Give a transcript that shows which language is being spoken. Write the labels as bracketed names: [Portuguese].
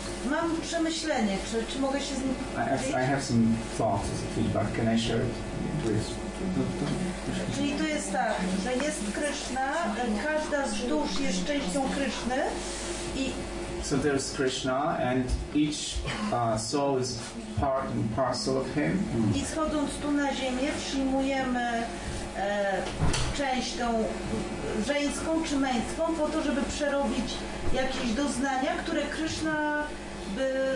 [Polish] Mam przemyślenie, czy mogę się z nim podzielić? [English] I have some thoughts as a feedback. Can I share it, please? [Polish] Czyli to jest tak, że jest Kryszna, każda z dusz jest częścią Kryszny i... [English] So there is Krishna and each soul is part and parcel of him. [Polish] I schodząc tu na ziemię przyjmujemy część tą żeńską czy męską po to, żeby przerobić jakieś doznania, które Krishna by